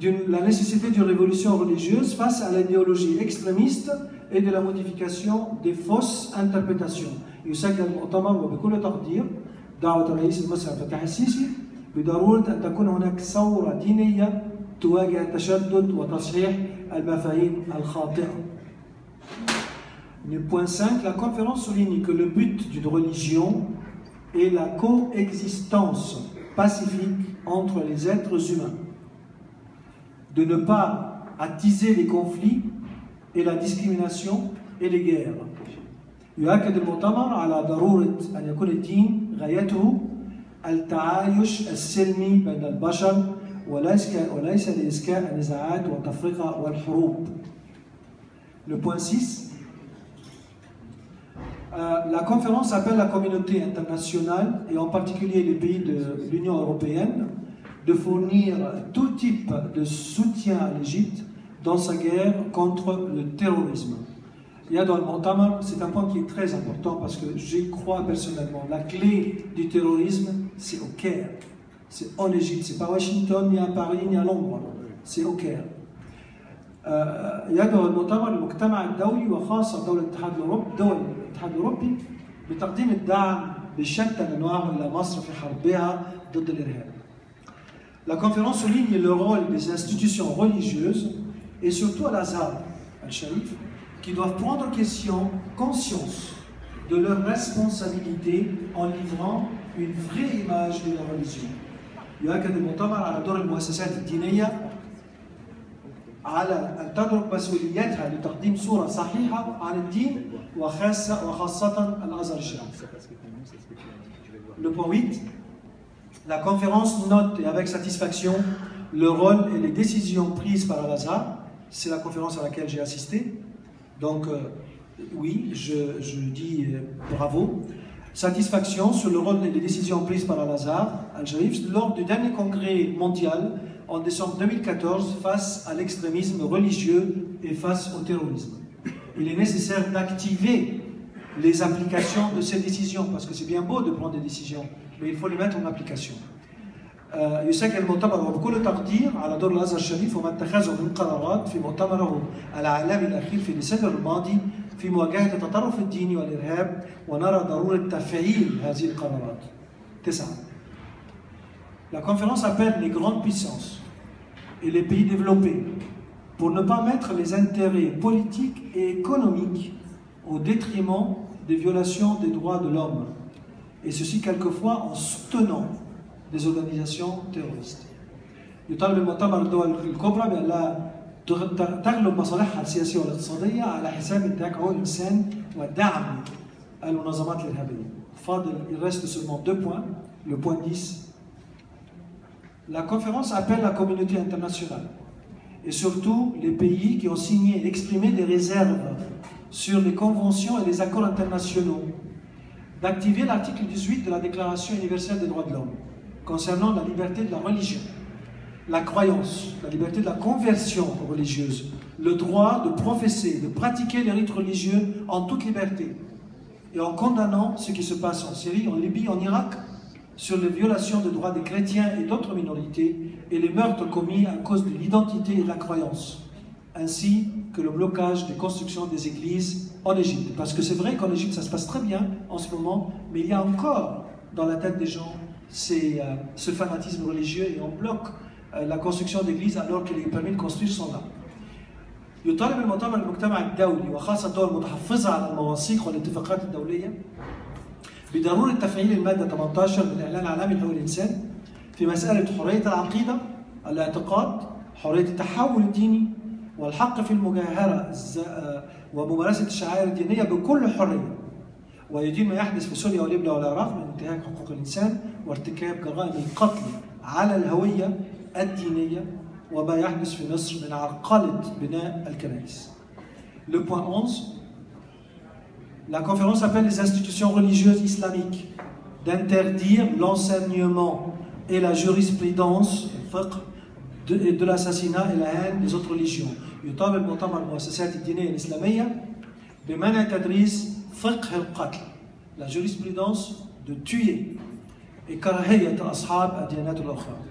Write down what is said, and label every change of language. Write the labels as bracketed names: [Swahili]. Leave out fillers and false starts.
[French] La nécessité d'une révolution religieuse face à l'idéologie extrémiste et de la modification des fausses interprétations. [Arabic] يسجل المؤتمر وبكل تقدير دعوة رئيس مصر فتح السيسي بضرورة أن تكون هناك ثورة دينية تواجه التشدد وتصحيح المفاهيم الخاطئة. [French] Le point 5, la conférence souligne que le but d'une religion est la coexistence pacifique entre les êtres humains, de ne pas attiser les conflits et la discrimination et les guerres. [Arabic] يؤكد المؤتمر على ضرورة أن يكون الدين غايته التعايش السلمي بين البشر وليس لإسكاء النزاعات والتفرقة والحروب. [French] Le point 6. La conférence appelle la communauté internationale et en particulier les pays de l'Union européenne de fournir tout type de soutien à l'Égypte dans sa guerre contre le terrorisme. C'est un point qui est très important parce que j'y crois personnellement. La clé du terrorisme, c'est au Caire. C'est en Égypte, c'est pas à Washington, ni à Paris, ni à Londres. C'est au Caire. [Arabic] يدعو المؤتمر المجتمع الدولي وخاصة دولة الاتحاد الأوروبي بتقديم الدعم بشتى الأنواع لمصر في حربها ضد الإرهاب. [French] La conférence souligne le rôle des institutions religieuses et surtout Al-Azhar, Al-Sharif, qui doivent prendre conscience de leur responsabilité en livrant une vraie image de la religion. [Arabic] يؤكد المؤتمر على دور المؤسسات الدينية على أن تدرك مسؤوليتها لتقديم صورة صحيحة عن الدين وخاصة الأزهر الشريف. [French] Le point 8. La conférence note et avec satisfaction le rôle et les décisions prises par Al-Azhar. C'est la conférence à laquelle j'ai assisté. Donc, oui, je dis bravo. Satisfaction sur le rôle et les décisions prises par Al-Azhar, Al-Sharif, lors du dernier congrès mondial en décembre 2014 face à l'extrémisme religieux et face au terrorisme. Il est nécessaire d'activer les applications de ces décisions, parce que c'est bien beau de prendre des décisions, mais il faut les mettre en application. [Arabic] يسجل المؤتمر وبكل تقدير على دور الأزهر الشريف وما اتخذه من قرارات في مؤتمره العالمي الأخير في ديسمبر الماضي في مواجهة التطرف الديني والإرهاب ونرى ضرورة تفعيل هذه القرارات. [French] 9. La conférence appelle les grandes puissances et les pays développés pour ne pas mettre les intérêts politiques et économiques au détriment des violations des droits de l'homme, et ceci quelquefois en soutenant des organisations terroristes. [Arabic] يطالب المؤتمر الدول الكبرى بأن لا تغلب مصالحها السياسية والاقتصادية على حساب الدافع هو الإنسان ودعم المنظمات الإرهابية. فاضل [French] il reste seulement deux points, le point 10. La conférence appelle la communauté internationale et surtout les pays qui ont signé et exprimé des réserves sur les conventions et les accords internationaux d'activer l'article 18 de la Déclaration universelle des droits de l'homme concernant la liberté de la religion, la croyance, la liberté de la conversion religieuse, le droit de professer, de pratiquer les rites religieux en toute liberté et en condamnant ce qui se passe en Syrie, en Libye, en Irak sur les violations des droits des chrétiens et d'autres minorités et les meurtres commis à cause de l'identité et de la croyance, ainsi que le blocage des constructions des églises en Égypte. Parce que c'est vrai qu'en Égypte, ça se passe très bien en ce moment, mais il y a encore dans la tête des gens ce fanatisme religieux et on bloque la construction d'églises alors que les permis de construire sont là. [Arabic] يطالب المؤتمر المجتمع الدولي وخاصة الدول المتحفظة على المواثيق والاتفاقات الدولية بضرورة تفعيل المادة 18 من الإعلان العالمي لحقوق الإنسان في مسألة حرية العقيدة الاعتقاد حرية التحول الديني والحق في المجاهرة وممارسة الشعائر الدينية بكل حرية ويدين ما يحدث في سوريا وليبيا والعراق من انتهاك حقوق الإنسان وارتكاب جرائم القتل على الهوية الدينية وما يحدث في مصر من عرقلة بناء الكنائس. [French] Le point 11. La conférence appelle les institutions religieuses islamiques d'interdire l'enseignement et la jurisprudence الفقه de l'assassinat et la haine des autres religions. [Arabic] يطالب المؤتمر المؤسسات الدينية الإسلامية بمنع تدريس فقه القتل. [French] La jurisprudence de tuer et [Arabic] كراهية أصحاب الديانات الأخرى.